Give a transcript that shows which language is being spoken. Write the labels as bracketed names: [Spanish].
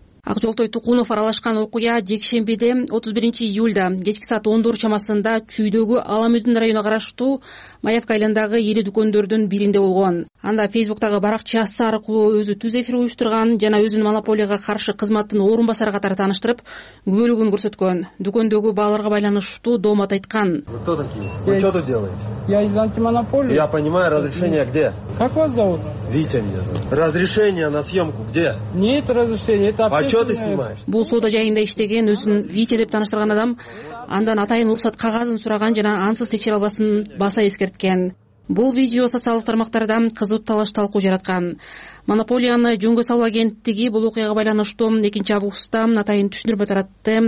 [Kyrgyz] Акжолтой Тукунов аралашкан окуя жекшембиде 31 июлда кечки саат 14 чамасында Чүйдөгү Аламүдүн районуна караштуу Маевка айылындагы ири дүкөндөрдүн биринде болгон. Анда фейсбуктагы баракчасы аркылуу өзү түз эфир уюштурган жана өзүн монополияга каршы кызматтын орун басары катары тааныштырып күбөлүгүн көрсөткөн. Дүкөндөгү бааларга байланыштуу доомат айткан. [Russian] Кто такие? Вы что тут делаете? Я из антимонополии. Я понимаю, разрешение где? Как вас зовут? Витя меня зовут. Разрешение на съемку где? Нет разрешения, это А что ты снимаешь? [Kyrgyz] Бул соода жайында иштеген өзүн Витя деп тааныштырган адам андан атайын уруксат кагазын сураган жана ансыз текшере албасын баса эскерткен. Бул видео социалдык тармактарда кызуу талаш талкуу жараткан. Монополияны жөнгө салуу агенттиги бул окуяга байланыштуу 2-августта атайын түшүндүрмө таратты.